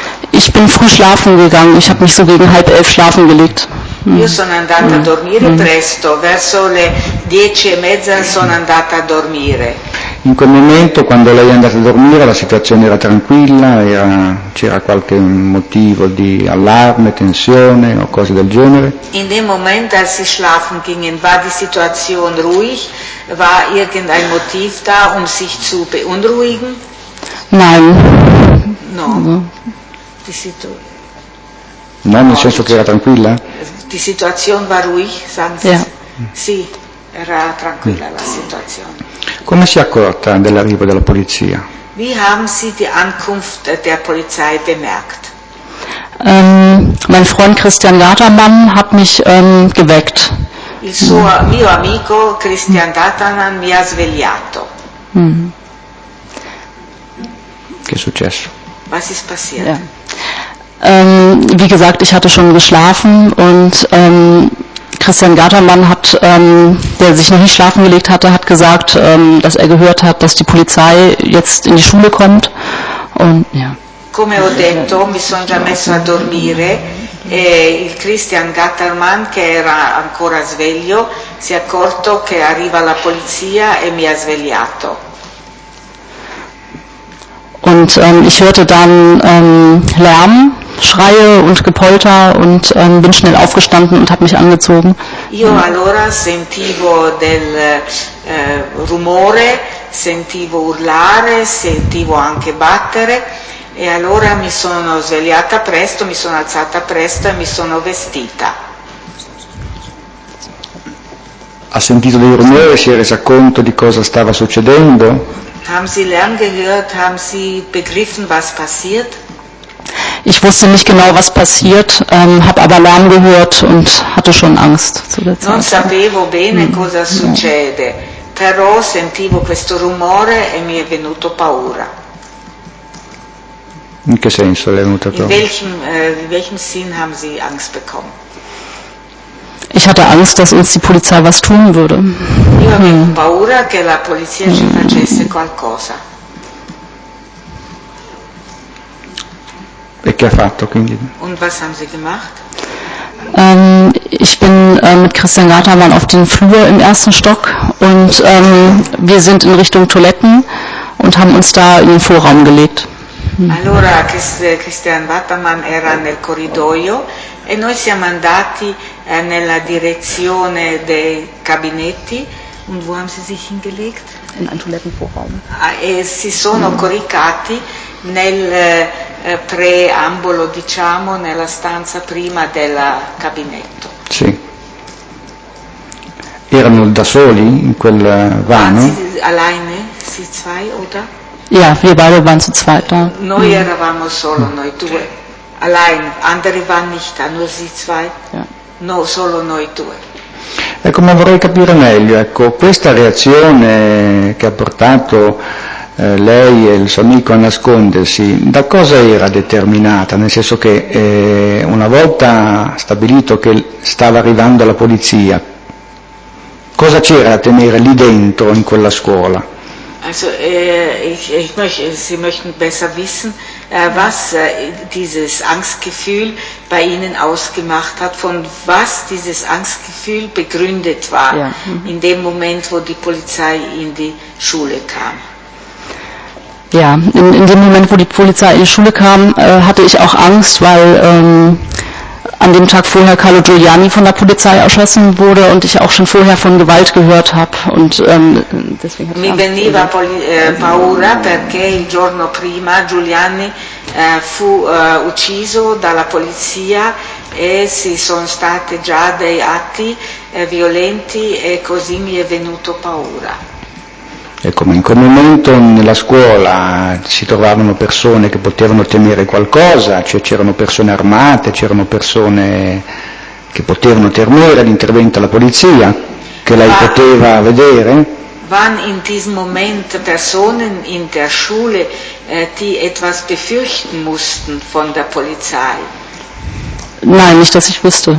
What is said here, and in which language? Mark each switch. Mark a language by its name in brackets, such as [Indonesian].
[German] Ich bin früh schlafen gegangen, ich habe mich so gegen 10:30 schlafen gelegt. [Italian] Io sono andata a dormire presto, verso le 10:30 sono andata a dormire. In quel momento, quando lei è andata a dormire, la situazione era tranquilla, c'era qualche motivo di allarme, tensione o cose del genere? [German] In dem Moment, als sie schlafen gingen, war die Situation ruhig, war irgendein Motiv da, um sich zu beunruhigen? Nein. No. Die Situation. [Italian] No, nel senso che era tranquilla? Di situazione va lui, sanzi? Yeah. Sì, era tranquilla la situazione. Come si è accorta dell'arrivo della polizia? [German] Wie haben Sie die Ankunft der Polizei bemerkt? Mein Freund Christian Datermann hat mich geweckt. [Italian] Il suo mio amico Christian Datermann mi ha svegliato. Mm. Che è successo? [German] Was ist passiert? Yeah. Wie gesagt, ich hatte schon geschlafen und Christian Gatermann hat, der sich noch nicht schlafen gelegt hatte, hat gesagt, dass er gehört hat, dass die Polizei jetzt in die Schule kommt. Und, ja. [Italian] Come ho detto, mi sono già messo a dormire e il Christian Gatermann, che era ancora sveglio, si è accorto che arriva la polizia e mi ha svegliato. [German] Und ich hörte dann Lärm, Schreie und Gepolter und bin schnell aufgestanden und habe mich angezogen. [Italian] Io allora sentivo del rumore, sentivo urlare, sentivo anche battere e allora mi sono svegliata presto, mi sono alzata presto e mi sono vestita. Ha sentito dei rumori, si è resa conto di cosa stava succedendo? [German] Haben Sie Lärm gehört? Haben Sie begriffen, was passiert? Ich wusste nicht genau, was passiert, habe aber Lärm gehört und hatte schon Angst zu der Zeit. [Italian] Non sapevo bene cosa succede, però sentivo questo rumore e mi è venuto paura. In che senso le è venuto paura? [German] In welchem Sinn haben Sie Angst bekommen? Ich hatte Angst, dass uns die Polizei was tun würde. [Italian] Io avevo paura che la polizia ci facesse qualcosa. E che ha fatto, quindi? [German] Und was haben Sie gemacht? Ich bin mit Christian Gatermann auf den Flur im ersten Stock und wir sind in Richtung Toiletten und haben uns da in den Vorraum gelegt. [Italian] Allora Christian Gatermann era nel corridoio e noi siamo andati nella direzione dei cabinetti. [German] Und wo haben Sie sich hingelegt? In einen Toilettenvorraum. [Italian] E si sono coricati nel preambolo, diciamo, nella stanza prima del cabinetto. Sì. Erano da soli in quel vano? [German] Alleine, sì, zwei, oder? Ja, wir beide waren zu zweit da. [Italian] Noi eravamo solo, noi due. [German] Allein, andere waren nicht da, nur sie zwei. Ja. [Italian] No, solo noi due. Ecco, ma vorrei capire meglio, ecco, questa reazione che ha portato lei e il suo amico a nascondersi, da cosa era determinata? Nel senso che una volta stabilito che stava arrivando la polizia, cosa c'era da tenere lì dentro in quella scuola? [German] Also, Sie möchten besser wissen, was dieses Angstgefühl bei Ihnen ausgemacht hat, von was dieses Angstgefühl begründet war, ja. In dem Moment, wo die Polizei in die Schule kam. Ja, in dem Moment, wo die Polizei in die Schule kam, hatte ich auch Angst, weil an dem Tag vorher Carlo Giuliani von der Polizei erschossen wurde und ich auch schon vorher von Gewalt gehört habe. Und deswegen hatte [Italian] mi [German] ich Angst. [Italian] Mi veniva paura perché il giorno prima Giuliani fu ucciso dalla polizia e si sono state già dei atti violenti e così mi è venuto paura. Ecco, in quel momento nella scuola si trovavano persone che potevano temere qualcosa, cioè c'erano persone armate, c'erano persone che potevano temere l'intervento della polizia, che lei poteva vedere? [German] Waren in diesem Moment Personen in der Schule, die etwas befürchten mussten von der Polizei? Nein, nicht, dass ich wüsste.